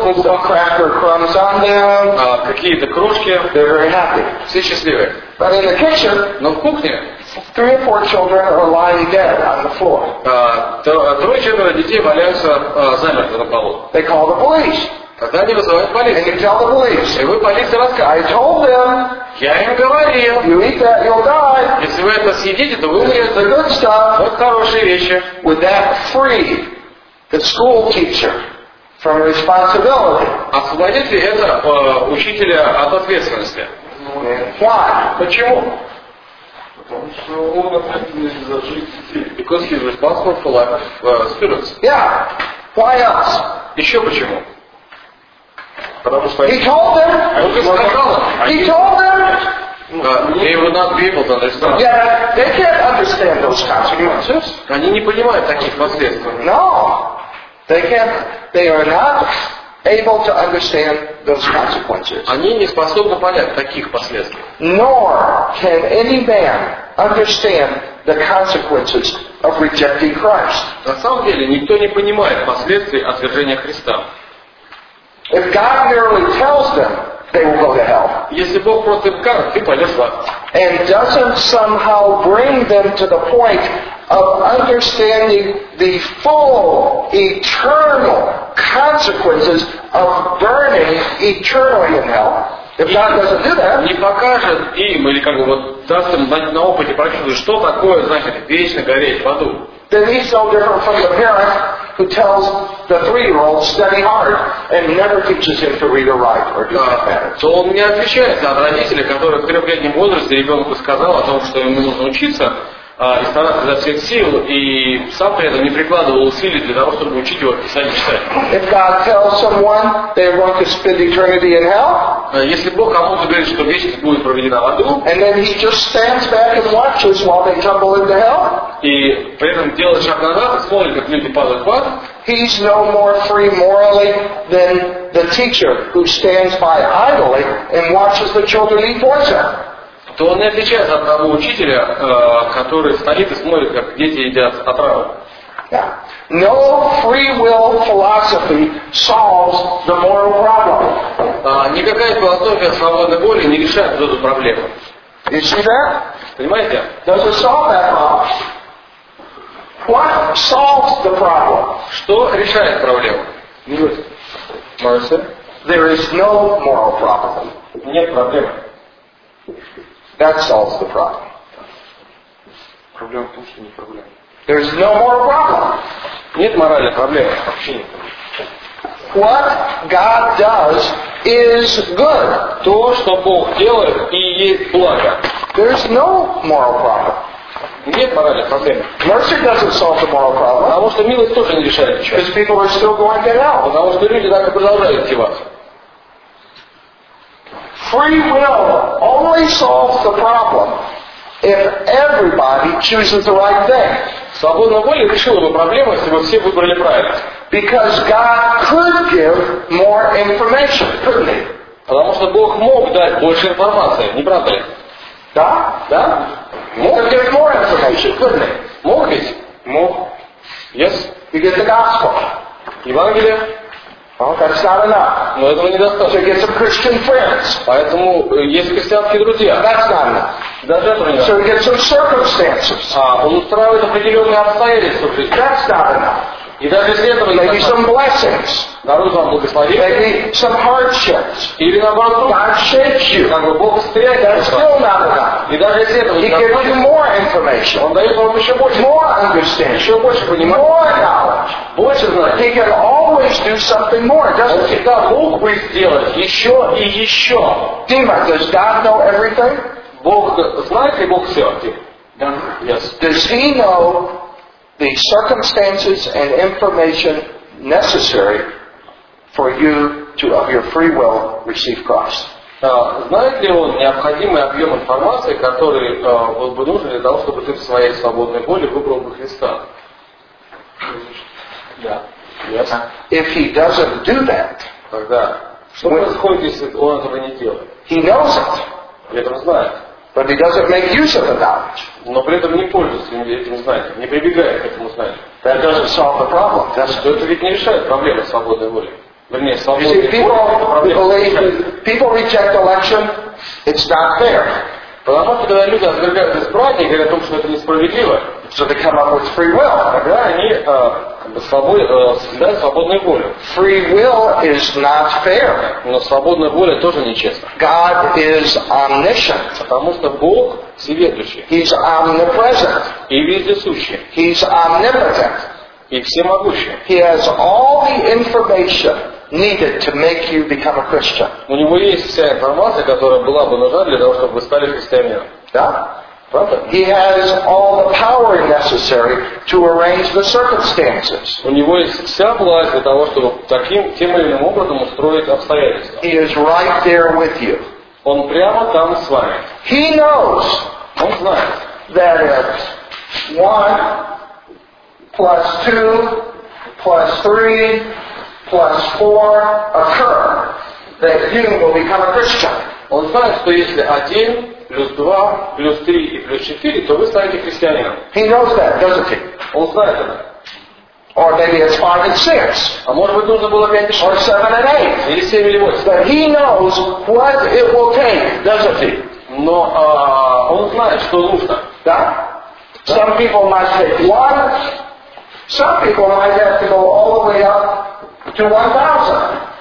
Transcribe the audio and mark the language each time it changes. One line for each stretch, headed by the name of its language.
English: Some cracker crumbs on them.
Russian: Какие-то крошки.
English: They're very happy.
Russian: Все счастливы.
English: But in the kitchen,
Russian: но в кухне,
English: 3 or 4 children are lying dead on the floor.
Russian: Трое-четверо детей валяются замертво на полу.
English: They call the police.
Russian: Тогда они вызывают полицию.
English: And you tell the police.
Russian: И вы полиции рассказываете.
English: I told them.
Russian: Я им говорил.
English: You eat that, you'll die.
Russian: Если вы это съедите, то вы умрете.
English: The good stuff.
Russian: Вот хорошие вещи.
English: Would that free the school teacher from responsibility?
Russian: Освободит ли это учителя от ответственности?
English: Why?
Russian: Почему? Потому что он ответственный за жизнь детей.
English: Because he's responsible for life of students. Yeah. Why else?
Russian: Еще почему?
English: He told them. He told them. They would not be able to understand. Yeah, they can't understand those consequences.
Russian: Они не понимают таких последствий.
English: No, they can't. They are not able to understand those consequences.
Russian: Они не способны понять таких последствий.
English: Nor can any man understand the consequences of rejecting Christ.
Russian: На самом деле, никто не понимает последствий отвержения Христа.
English: If God merely tells them, they will go to hell.
Russian: Если Бог просто им скажет, ты пойдешь в ад.
English: And doesn't somehow bring them to the point of understanding the full eternal consequences of burning eternally in hell. If God doesn't do that,
Russian: не покажет им или как бы вот даст им на опыте прочувствовать, что такое значит вечно гореть в аду.
English: Then he's so different from the parent who tells the 3-year-old study hard and never teaches him to read or write or do mathematics.
Russian: То он не отличается от родителя, который в трехлетнем возрасте ребенку сказал о том, что ему нужно учиться, и старался изо всех сил, и сам при этом не прикладывал усилий для того, чтобы учить его писать и читать.
English: If God tells someone they want to spend eternity in hell,
Russian: если Бог кому-то говорит, что вечность будет проведена в аду,
English: and then he just stands back and watches while they tumble into hell,
Russian: и при этом делает шаг назад и смотрит, как люди падают в ад.
English: He's no more free morally than the teacher who stands by idly and watches the children eat poison.
Russian: То он не отличается от того учителя, который стоит и смотрит, как дети едят отраву.
English: No free will philosophy solves the moral problem.
Russian: Никакая философия свободной воли не решает эту проблему.
English: You see that?
Russian: Понимаете?
English: Does it solve that problem? What solves the problem?
Russian: Что решает проблему?
English: Mercy. There is no moral problem.
Russian: Нет проблемы.
English: That solves the problem.
Russian: Проблема в том, что нет проблем.
English: There is no moral problem.
Russian: Нет моральной проблемы. Вообще нет.
English: What God does is good.
Russian: То, что Бог делает, и есть благо.
English: There is no moral problem.
Russian: Нет моральной проблемы.
English: Mercy doesn't solve the moral problem.
Russian: Потому что милость тоже не решает ничего.
English: Because people are still going to hell.
Russian: Потому что люди так и продолжают идти в ад.
English: Free will only solves the problem if everybody chooses the right thing.
Russian: Свободная воля решила бы проблему, если бы все выбрали правильно.
English: Because God could give more information, couldn't he?
Russian: Потому что Бог мог дать больше информации, не правда ли? Да? Да? Мог.
English: He could give more information, couldn't he?
Russian: Мог ведь? Мог.
English: Yes? He gives the gospel.
Russian: Евангелие.
English: Well, that's not enough.
Russian: Но этого недостаточно.
English: So get some Christian friends.
Russian: Поэтому есть христианские друзья.
English: That's not enough.
Russian: Даже этого нет.
English: So get some circumstances.
Russian: А, он устраивает определенные обстоятельства в жизни.
English: That's not enough.
Russian: И даже если этого недостаточно.
English: Maybe some blessings.
Russian: Дарует вам благословение.
English: Maybe some hardships.
Russian: Или наоборот.
English: God shapes you.
Russian: Как бы Бог встряет.
English: That's still not enough.
Russian: И даже если этого недостаточно.
English: He gives you more information.
Russian: Он дает вам еще больше.
English: More understanding.
Russian: Еще больше понимания.
English: More knowledge.
Russian: Больше знаний.
English: He can always do something more, doesn't
Russian: Он всегда мог бы сделать еще и еще.
English: Дима, does God know everything?
Russian: Бог знает ли Бог все? Дима.
English: Yes. Does he know the circumstances and information necessary for you to, of your free will, receive Christ?
Russian: Знает ли он необходимый объем информации, который был бы нужен для того, чтобы ты в своей свободной воле выбрал бы Христа? Да.
English: Yes. If he doesn't do that,
Russian: тогда что происходит, если он этого не делает?
English: He knows it.
Russian: И этого знает.
English: But he doesn't make use of the knowledge.
Russian: Но при этом не пользуется этим знанием, не прибегает к этому знанию.
English: That doesn't solve the problem.
Russian: Это ведь не решает проблемы свободной воли. Вернее, свободной воли.
English: People reject election, it's not fair.
Russian: Потому что когда люди отвергают избрание и говорят о том, что это несправедливо,
English: so they come up with free will.
Russian: Тогда они создают свободную волю.
English: Free will is not fair.
Russian: Но свободная воля тоже нечестна.
English: God is omniscient.
Russian: Потому что Бог всеведущий.
English: He's omnipresent.
Russian: И вездесущий.
English: He's omnipotent.
Russian: И всемогущий.
English: He has all the information needed to make you become a Christian.
Russian: У него есть вся информация, которая была бы нужна для того, чтобы вы стали христианином. Да? Правда?
English: He has all the power necessary to arrange the circumstances.
Russian: У него есть вся власть для того, чтобы таким, тем или иным образом устроить обстоятельства.
English: He is right there with you.
Russian: Он прямо там с вами.
English: He knows.
Russian: Он знает.
English: That is 1 + 2 + 3 + 4 occur, that you will become a Christian.
Russian: Он знает, что если 1 + 2 + 3 + 4, то вы станете христианином.
English: He knows that, doesn't he?
Russian: Он знает это.
English: Or maybe it's 5 and 6.
Russian: А может быть нужно было 5 и 6.
English: Or 7 and 8.
Russian: Или 7 или 8.
English: But he knows what it will take, doesn't he?
Russian: Но он знает, что нужно. Да?
English: Some people might take 1. Some people might have to go all the way up to 1,000.